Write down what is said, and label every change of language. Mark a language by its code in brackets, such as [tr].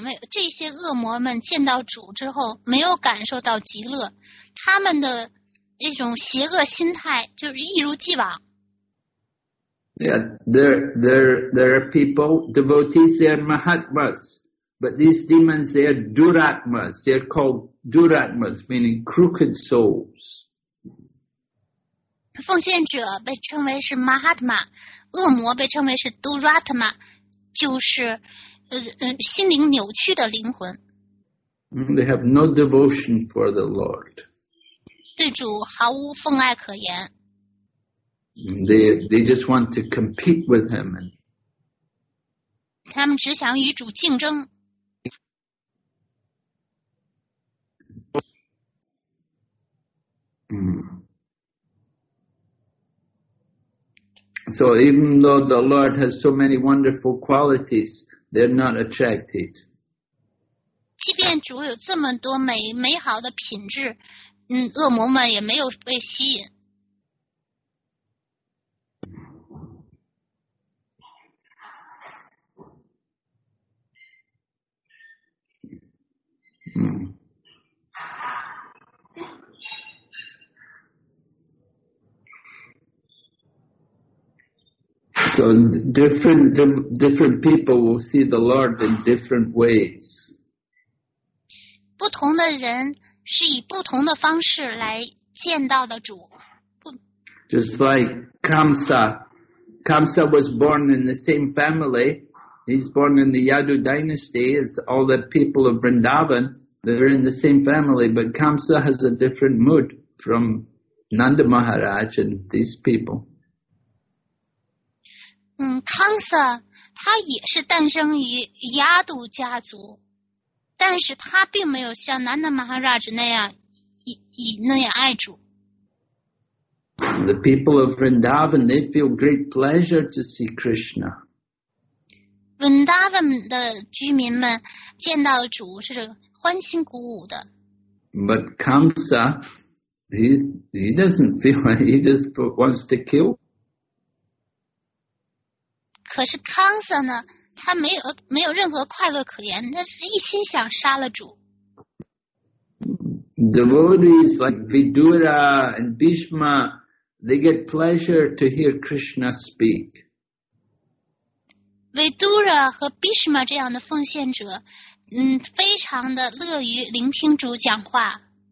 [zh] 这些恶魔们见到主之后没有感受到极乐，他们的那种邪恶心态就是一如既往。 [en] Yeah, there are people, devotees, they are mahatmas, but these demons, they are duratmas. They are called duratmas, meaning crooked souls. [zh] 奉献者被称为是 mahatma, 恶魔被称为是 duratma, 就是心灵扭曲的灵魂。 [en] They have no devotion for the Lord. [zh] 对主毫无奉爱可言。 [en] They just want to compete with him. [zh] 他们只想与主竞争。 [en] So even though the Lord has so many wonderful qualities, they're not attracted. [zh] 即便主有这么多美好的品质，恶魔们也没有被吸引。 [en] So different people will see the Lord in different ways. [zh] 不同的人是以不同的方式来见到的主。 [en] Just like Kamsa was born in the same family. He's born in the Yadu dynasty. As all the people of Vrindavan, they're in the same family, but Kamsa has a different mood from Nanda Maharaj and these people. [zh] 康萨他也是诞生于亚杜家族，但是他并没有像南达马哈拉什那样那样爱主。 [en] The people of Vrindavan, they feel great pleasure to see Krishna. [zh] Vrindavan 的居民们见到主是欢欣鼓舞的。 [en] But Kamsa, he doesn't feel he just wants to kill. [zh] 可是康瑟呢，他没有任何快乐可言，他是一心想杀了主。 [en] Devotees like Vidura and Bhishma, they get pleasure to hear Krishna speak. [zh] Vidura 和 Bhishma 这样的奉献者，非常的乐于聆听主讲话。